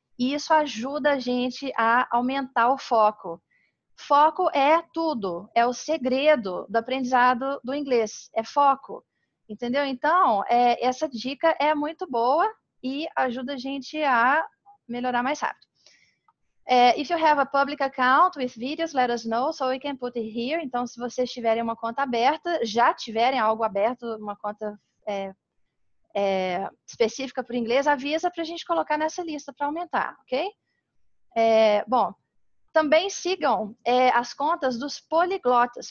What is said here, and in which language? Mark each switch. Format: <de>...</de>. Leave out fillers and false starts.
<pt>E isso ajuda a gente a aumentar o foco. Foco é tudo. É o segredo do aprendizado do inglês. É foco. Entendeu? Então, essa dica é muito boa e ajuda a gente a melhorar mais rápido.</pt> <en>If you have a public account with videos, let us know so we can put it here.</en> <pt>Então, se vocês tiverem uma conta aberta, já tiverem algo aberto, uma conta específica para o inglês, avisa para a gente colocar nessa lista para aumentar, ok? Bom, também sigam as contas dos poliglotas.</pt>